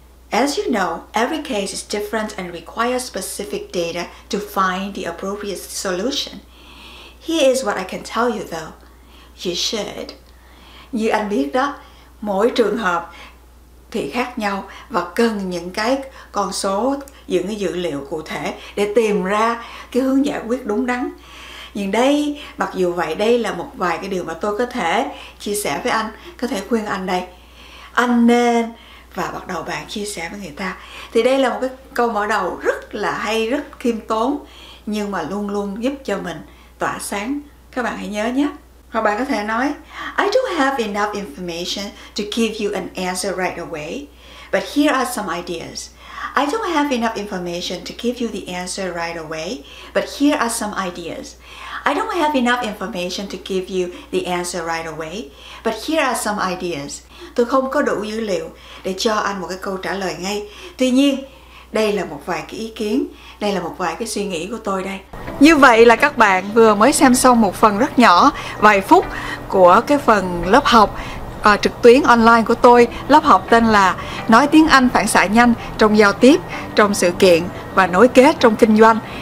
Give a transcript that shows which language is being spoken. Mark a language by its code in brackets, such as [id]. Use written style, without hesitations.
[en] As you know, every case is different and requires specific data to find the appropriate solution. Here's what I can tell you though. You should. [vi] Như anh biết đó, mỗi trường hợp thì khác nhau và cần những cái con số, những cái dữ liệu cụ thể để tìm ra cái hướng giải quyết đúng đắn. Nhưng đây, mặc dù vậy, đây là một vài cái điều mà tôi có thể chia sẻ với anh, có thể khuyên anh đây. Anh nên, và bắt đầu bạn chia sẻ với người ta. Thì đây là một cái câu mở đầu rất là hay, rất khiêm tốn, nhưng mà luôn luôn giúp cho mình tỏa sáng. Các bạn hãy nhớ nhé. Hoặc bạn có thể nói, [en] I don't have enough information to give you an answer right away, but here are some ideas. I don't have enough information to give you the answer right away, but here are some ideas. I don't have enough information to give you the answer right away, but here are some ideas. [vi] Tôi không có đủ dữ liệu để cho anh một cái câu trả lời ngay. Tuy nhiên, đây là một vài cái ý kiến, đây là một vài cái suy nghĩ của tôi đây. Như vậy là các bạn vừa mới xem xong một phần rất nhỏ, vài phút của cái phần lớp học trực tuyến online của tôi, lớp học tên là Nói tiếng Anh phản xạ nhanh trong giao tiếp, trong sự kiện và nối kết trong kinh doanh.